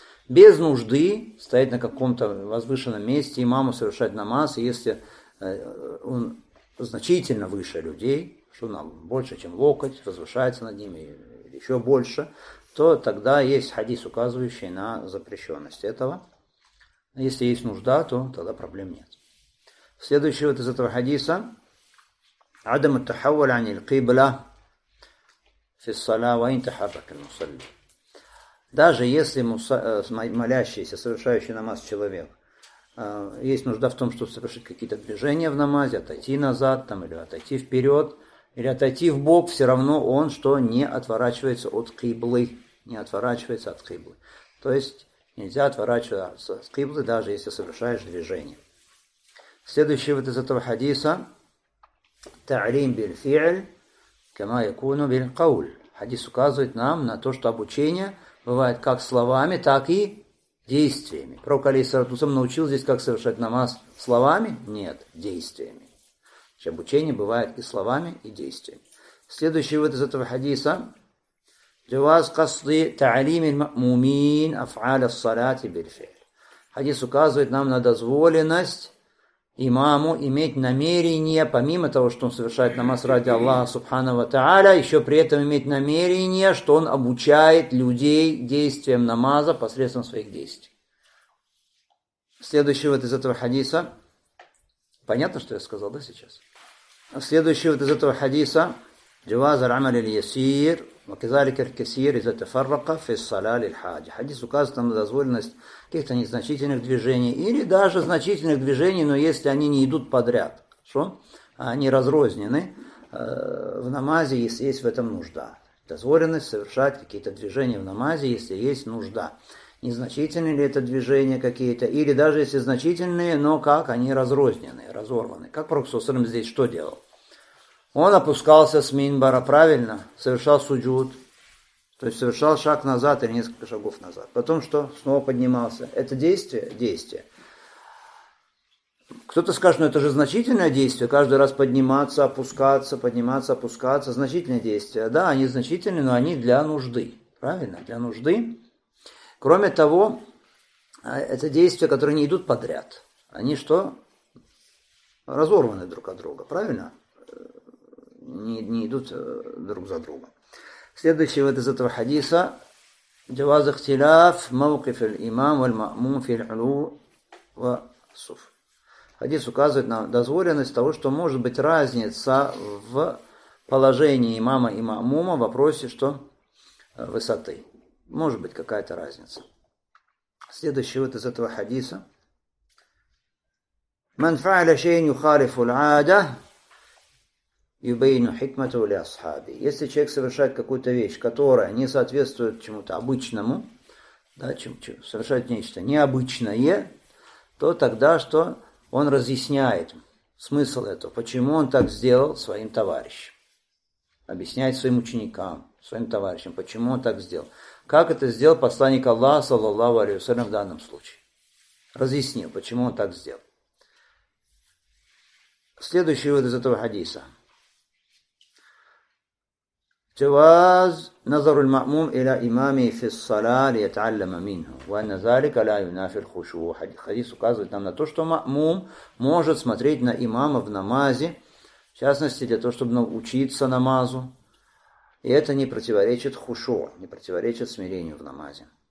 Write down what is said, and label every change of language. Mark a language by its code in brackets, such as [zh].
[ru] Без нужды стоять на каком-то возвышенном месте, имаму совершать намаз, если он значительно выше людей, что нам больше, чем локоть, возвышается над ними, еще больше, то тогда есть хадис, указывающий на запрещенность этого. Если есть нужда, то тогда проблем нет. Следующий вот из этого хадиса. [ar] عدم التحول عن القبلة في الصلاة وإن تحرك المصلي. [ru] Даже если молящийся, совершающий намаз человек, есть нужда в том, чтобы совершить какие-то движения в намазе, отойти назад там, или отойти вперед, или отойти в бок, все равно он что не отворачивается от киблы. Не отворачивается от киблы. То есть нельзя отворачиваться с киблы, даже если совершаешь движение. Следующий вот из этого хадиса. [ar] Та'лим биль фи'ль, кама якуну биль кауль. [ru] Хадис указывает нам на то, что обучение бывает как словами, так и действиями. Пророк, алейхиссалату вассалям, научил здесь, как совершать намаз словами? Нет, действиями. Значит, обучение бывает и словами, и действиями. Следующий вот из этого хадиса. [ar] جواز قصد تعليم المأمومين أفعال الصلاة بالفعل. [ru] Хадис указывает нам на дозволенность имаму иметь намерение, помимо того, что он совершает намаз ради Аллаха Субхана ва Тааля, еще при этом иметь намерение, что он обучает людей действиям намаза посредством своих действий. Следующий вот из этого хадиса. Понятно, что я сказал, да, сейчас? Следующий вот из этого хадиса. [ar] جواز العمل اليسير وكذلك الكثير إذا تفرق في الصلاة للحاجة. [ru] Хадис указывает нам на дозволенность каких-то незначительных движений или даже значительных движений, но если они не идут подряд, что они разрознены в намазе, если есть в этом нужда. Дозволенность совершать какие-то движения в намазе, если есть нужда. Незначительные ли это движения какие-то, или даже если значительные, но как они разрознены, разорваны. Как пророк Сусрам здесь что делал? Он опускался с минбара, правильно, совершал суджуд, то есть совершал шаг назад или несколько шагов назад. Потом что? Снова поднимался. Это действие? Действие. Кто-то скажет, ну это же значительное действие, каждый раз подниматься, опускаться, значительное действие. Да, они значительные, но они для нужды, правильно, для нужды. Кроме того, это действия, которые не идут подряд. Они что? Разорваны друг от друга, правильно? Не идут друг за другом. Следующий вот из этого хадиса. [ar] جواز اختلاف موقف الإمام والمأموم في العلو والصف. [ru] Хадис указывает на дозволенность того, что может быть разница в положении имама и мамума в вопросе, что высоты. Может быть какая-то разница. Следующий вот из этого хадиса. [ar] من فعل شيء يخالف العادة يبين حكمته لأصحابه. [ru] Если человек совершает какую-то вещь, которая не соответствует чему-то обычному, да, совершает нечто необычное, то тогда что? Он разъясняет смысл этого, почему он так сделал своим товарищам. Объясняет своим ученикам, своим товарищам, почему он так сделал. Как это сделал посланник Аллаха, саллаллаху алейхи ва саллям, в данном случае? Разъяснил, почему он так сделал. Следующий вывод из этого хадиса. [ar] جواز نظر المأموم إلى إمامه في الصلاة ليتعلم منه وأن ذلك لا ينافي الخشوع. [ru] حديث указывает нам на то, что мамум может смотреть на имама в намазе, в частности для того, чтобы научиться намазу, и это не противоречит хушу, не противоречит смирению в намазе.